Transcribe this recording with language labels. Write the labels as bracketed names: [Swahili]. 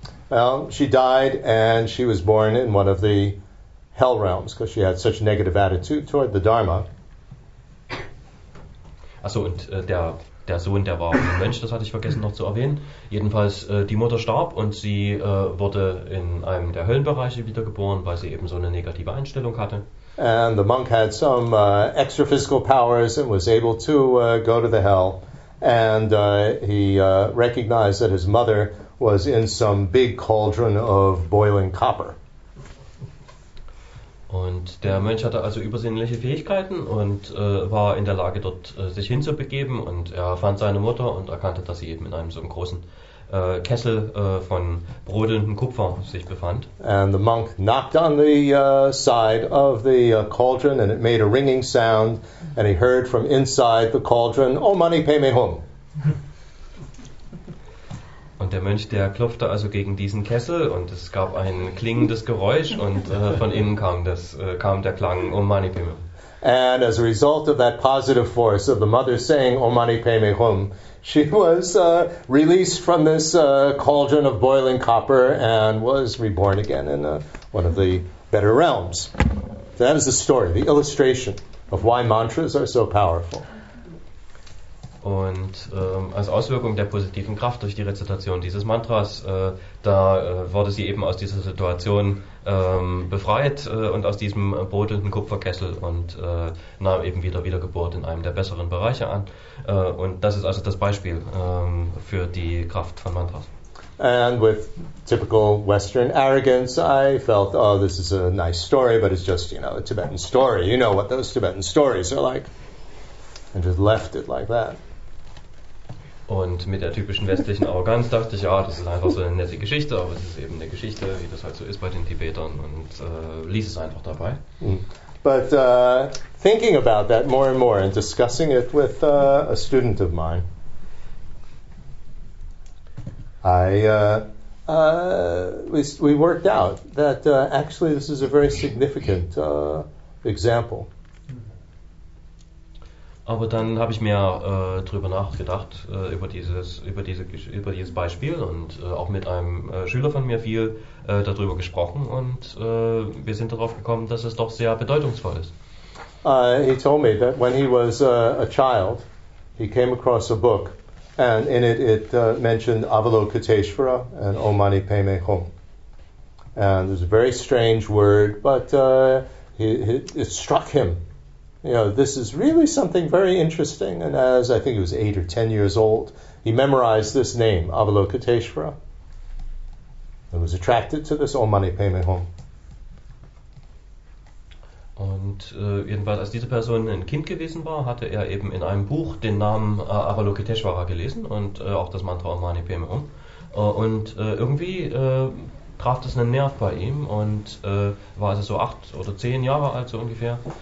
[English] Well, she died and she was born in one of the hell realms because she had such a negative attitude toward the Dharma. [German] Achso, und der Sohn, der war ein Mönch, das hatte ich vergessen noch zu erwähnen. Jedenfalls, die Mutter starb und sie wurde in einem der Höllenbereiche wiedergeboren, weil sie eben so eine negative Einstellung hatte. [English] And the monk had some extra physical powers and was able to go to the hell. And he recognized that his mother was in some big cauldron of boiling copper. [German] Und der Mönch hatte also übersinnliche Fähigkeiten und war in der Lage, dort sich hinzubegeben, und er fand seine Mutter und erkannte, dass sie eben in einem so einem großen Kessel von brodelndem Kupfer sich befand. [English] And the monk knocked on the side of the cauldron and it made a ringing sound, and he heard from inside the cauldron, Om Mani Padme Hum. [German] Und der Mönch, der klopfte also gegen diesen Kessel und es gab ein klingendes Geräusch und von innen kam der Klang Om Mani Padme. [English] And as a result of that positive force of the mother saying Om Mani Padme Hum, she was released from this cauldron of boiling copper and was reborn again in one of the better realms. That is the story, the illustration of why mantras are so powerful. [German] Und als Auswirkung der positiven Kraft durch die Rezitation dieses Mantras, wurde sie eben aus dieser Situation befreit und aus diesem brodelnden Kupferkessel und nahm eben wieder Wiedergeburt in einem der besseren Bereiche an. Und das ist also das Beispiel für die Kraft von Mantras. [English] And with typical Western arrogance, I felt, oh, this is a nice story, but it's just, you know, a Tibetan story. You know what those Tibetan stories are like. And just left it like that. [German] Und mit der typischen westlichen Arroganz dachte ich, ja, das ist einfach so eine nette Geschichte, aber es ist eben eine Geschichte, wie das halt so ist bei den Tibetern, und ließ es einfach dabei. [English] But thinking about that more and more and discussing it with a student of mine, we worked out that actually this is a very significant example. [German] Aber dann habe ich mir drüber nachgedacht über dieses Beispiel und auch mit einem Schüler von mir viel darüber gesprochen und wir sind darauf gekommen, dass es doch sehr bedeutungsvoll ist. [English] He told me that when he was a child, he came across a book. And in it, it mentioned Avalokiteshvara and Om Mani Padme Hum. And it was a very strange word, but it struck him. You know, this is really something very interesting. And as I think he was 8 or 10 years old, he memorized this name, Avalokiteshvara. And was attracted to this Om Mani Padme Hum. [German] Und jedenfalls, als diese Person ein Kind gewesen war, hatte er eben in einem Buch den Namen Avalokiteshvara gelesen und auch das Mantra Om Mani Padme Hum. Und irgendwie traf das einen Nerv bei ihm und war also so 8 oder 10 Jahre alt, so ungefähr.